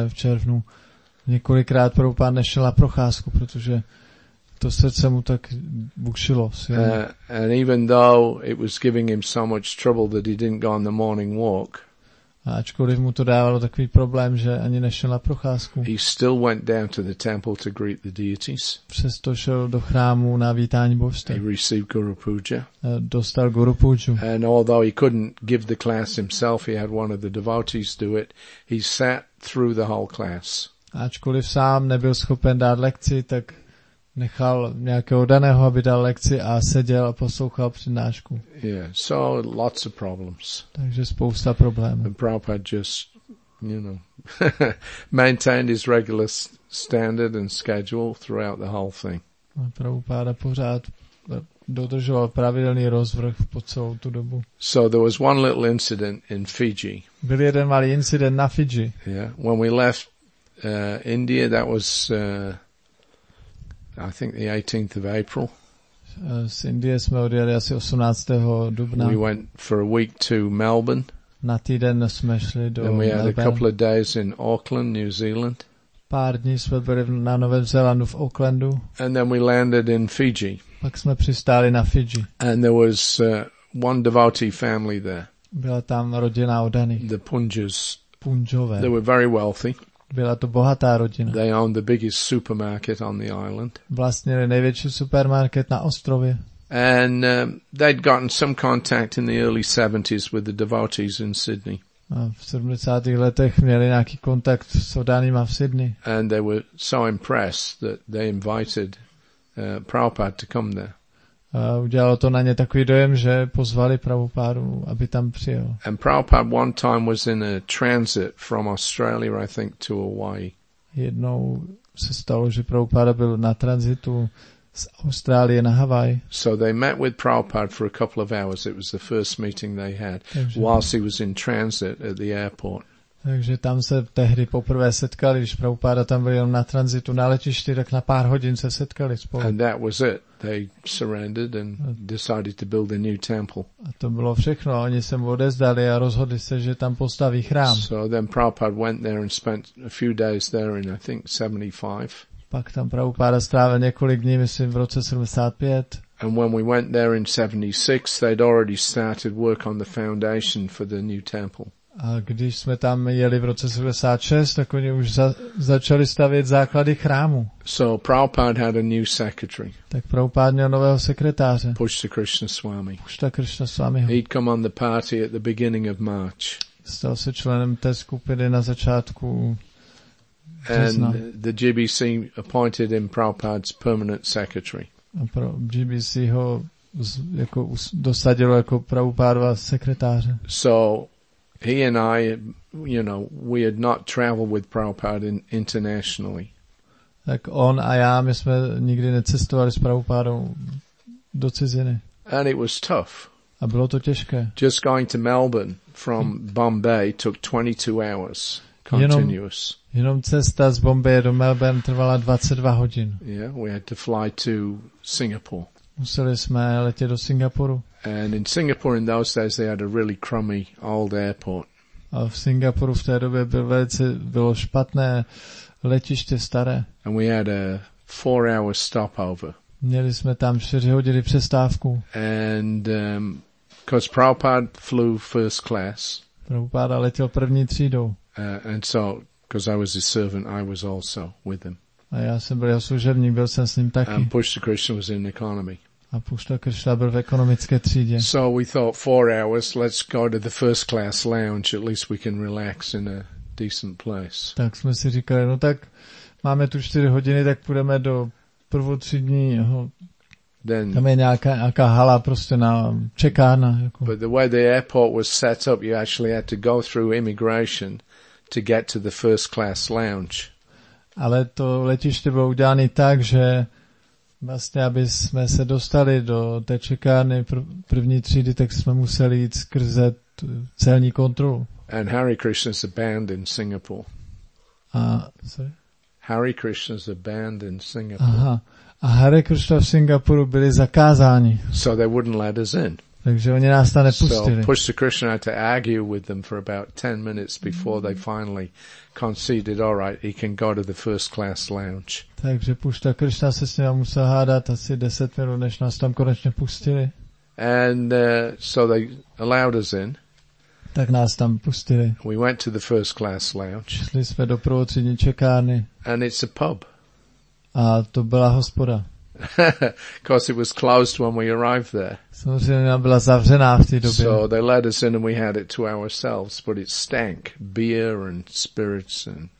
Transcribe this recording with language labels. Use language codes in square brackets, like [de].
[cs] v červnu několikrát Prabhupada nešel na procházku, protože to srdce mu tak bukšilo. [en] And even though it was giving him so much trouble that he didn't go on the morning walk, [cs] ačkoliv mu to dávalo takový problém, že ani nešel na procházku, [en] he still went down to the temple to greet the deities. [cs] Přesto šel do chrámu na vítání božstev. [en] He received Guru Puja. [cs] Dostal Guru Puju. [en] And although he couldn't give the class himself, he had one of the devotees do it. He sat through the whole class. [cs] Ačkoliv sám nebyl schopen dát lekci, tak nechal nějakého daného, aby dal lekci a seděl a poslouchal přednášku. [en] Yeah, so lots of problems. [cs] Takže spousta problémů. [en] And Prabhupada just, you know, maintained his regular standard and schedule throughout the whole thing. [cs] A Prabhupada pořád dodržoval pravidelný rozvrh po celou tu dobu. [en] So there was one little incident in Fiji. [cs] Byl jeden malý incident na Fiji. [en] Yeah, when we left India, that was I think the 18th of April. [cs] Z Indie jsme odjeli asi 18. dubna. [en] We went for a week to Melbourne. [cs] Na týden jsme šli do Melbourne. [en] Then we had a couple of days in Auckland, New Zealand. [cs] Pár dní jsme byli na Novém Zélandu v Aucklandu. [en] And then we landed in Fiji. [cs] Pak jsme přistáli na Fiji. [en] And there was one devotee family there. [cs] Byla tam rodina oddaných. [en] The Punjas. [cs] Punjové. [en] They were very wealthy. [cs] Byla to bohatá rodina. [en] They owned the biggest supermarket on the island. [cs] Vlastnili největší supermarket na ostrově. [en] And they'd gotten some contact in the early 70s with the devotees in Sydney. [cs] A v 70. letech měli nějaký kontakt s oddanýma v Sydney. [en] And they were so impressed that they invited Prabhupada to come there. [cs] A udělalo to na ně takový dojem, že pozvali Prabhupádu, aby tam přijel. [en] And Prabhupada one time was in a transit from Australia, I think, to Hawaii. [cs] Jednou se stalo, že Prabhupada byl na tranzitu z Austrálie na Havaj. [en] So they met with Prabhupada for a couple of hours. It was the first meeting they had whilst he was in transit at the airport. [cs] Takže tam se tehdy poprvé setkali, když Prabhupada tam byl na tranzitu na letišti, tak na pár hodin se setkali spolu. [en] And that was it. They surrendered and decided to build a new temple. [cs] A to bylo všechno. Oni se mu odezdali a rozhodli se, že tam postaví chrám. [en] So then Prabhupada went there and spent a few days there in, I think, 75. [cs] Pak tam Prabhupada strávil několik dní, myslím, v roce 75. [en] And when we went there in 76, they'd already started work on the foundation for the new temple. [cs] A když jsme tam jeli v roce 76, tak oni už začali stavět základy chrámu. [en] So Prabhupada had a new secretary. [cs] Tak Prabhupada měl nového sekretáře. [en] Pushta Krishna Swami. [cs] Pushta Krishna Swami. [en] He'd come on the party at the beginning of March. [cs] Stal se členem té skupiny na začátku března. [en] And the GBC appointed him Prabhupada's permanent secretary. [cs] A GBC ho jako dosadilo jako Prabhupádova sekretáře. [en] So he and I, you know, we had not traveled with Prabhupada internationally. [cs] Tak on a já, my jsme nikdy necestovali s Prabhupádou do ciziny. [en] And it was tough. [cs] A bylo to těžké. [en] Just going to Melbourne from Bombay took 22 hours continuous. [cs] Jenom cesta z Bombaye do Melbourne trvala 22 hodin. [en] Yeah, we had to fly to Singapore. [cs] Museli jsme letět do Singapuru. [en] And in Singapore in those days they had a really crummy old airport. [cs] A v Singapuru v té době bylo špatné letiště staré. [en] And we had a 4-hour stopover. [cs] Měli jsme tam 4 hodiny přestávku. [en] And because Prabhupada flew first class. [cs] Prabhupada letěl první třídou. [en] And so, because I was his servant, I was also with him. [cs] A já jsem byl jeho služebník, byl jsem s ním taky. [en] And Pushta Krishna was in economy. [cs] A Pushta Krishna byl v ekonomické třídě. [en] So we thought 4 hours, let's go to the first class lounge, at least we can relax in a decent place. [cs] Tak jsme si říkali, no tak máme tu 4 hodiny, tak půjdeme do prvotřídního. [en] Then, [cs] tam je nějaká hala prostě na čekárna. Jako. [en] But the way the airport was set up, you actually had to go through immigration to get to the first class lounge. [cs] Ale to letiště bylo udělané tak, že vlastně, aby jsme se dostali do té čekárny první třídy, tak jsme museli jít skrze celní kontrolu. [en] And Hare Krishna's a band in Singapore. Hare Krishna's a band in Singapore. [cs] Aha. A Hare Krishna v Singapuru byli zakázáni. [en] So they wouldn't let us in. [cs] Takže oni nás tam nepustili. [en] So Pushta Krishna had to argue with them for about 10 minutes before they finally conceded, all right, he can go to the first class lounge. [cs] Takže Pushta Krishna se s nimi musel hádat asi 10 minut, než nás tam konečně pustili. [en] And so they allowed us in. [cs] Tak nás tam pustili. [en] We went to the first class lounge. [cs] Šli jsme do prvotřídní čekárny. [en] And it's a pub. [cs] A to byla hospoda. [en] Because it was closed when we arrived there. [cs] Samozřejmě byla zavřená v té době. [en] So they let us in and we had it to ourselves, but it stank beer and spirits and smoke.